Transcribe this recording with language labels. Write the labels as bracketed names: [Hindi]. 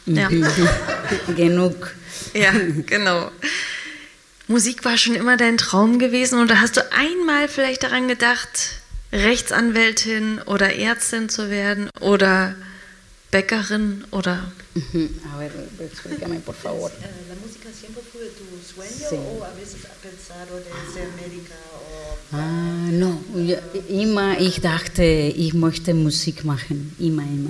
[German] Ja. Genug. Ja, genau. Musik war schon immer dein Traum gewesen oder hast du einmal vielleicht daran gedacht, Rechtsanwältin oder Ärztin zu werden oder Bäckerin oder? [Spanish] A ver, explícame, por favor. La música siempre fue tu sueño o a veces has pensado de ser médica o... [German] No, immer ich dachte, ich möchte Musik machen, immer.